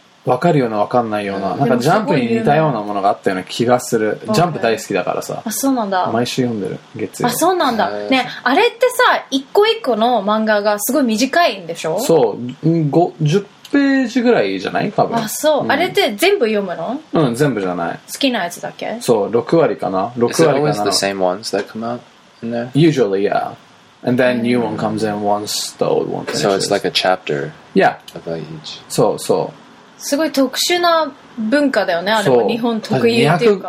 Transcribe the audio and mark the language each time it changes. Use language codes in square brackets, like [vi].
[ja] 分かるような分かんないよう な, なんかジャンプに似たようなものがあったような気がする、ね、ジャンプ大好きだからさ、あそうなんだ、毎週読んでる月曜、あそうなんだ、ね、あれってさ一個一個の漫画がすごい短いんでしょ、そう50ページぐらいじゃない多分、あそう、うん、あれって全部読むの、うん全部じゃない、好きなやつだけ、そう6割かな、6割かな、 [en] Is it always the same ones that come out in there? Usually yeah and then、mm-hmm. new one comes in once the old one finishes, so it's like a chapter yeah about each, [ja] そうそう、すごい特殊な文化だよね、あれも日本特有っていうか、